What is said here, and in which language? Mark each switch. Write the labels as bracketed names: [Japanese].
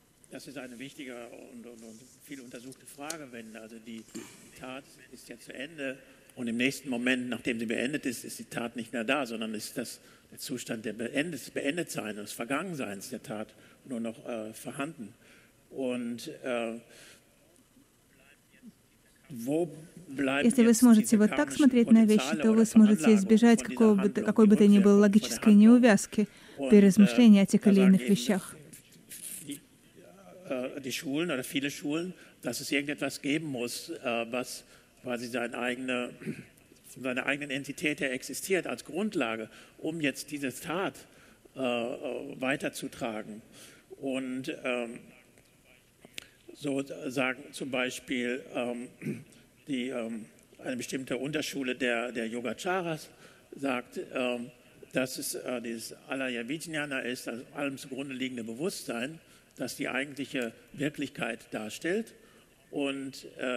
[German] Das ist eine wichtige und viel untersuchte Frage, wenn also die Tat ist ja zu Ende und im nächsten Moment, nachdem sie beendet ist, ist die Tat nicht mehr da, sondern ist das der Zustand der Beendetseins, des Vergangenseins der Tat nur noch vorhanden. Und wo [Russian] Если вы сможете вот так смотреть на вещи, то вы сможете избежать какой бы то ни было логической неувязки при размышлении о тех или иных вещах. [German] Die Schulen oder viele Schulen, dass es irgendetwas geben muss, was quasi seine eigene Entität existiert als Grundlage, um jetzt diese Tat weiterzutragen. Und so sagen zum Beispiel eine bestimmte Unterschule der Yogacharas sagt, dass es dieses Alaya Vijnana ist, also allem zugrunde liegende Bewusstsein, das die eigentliche Wirklichkeit darstellt. Und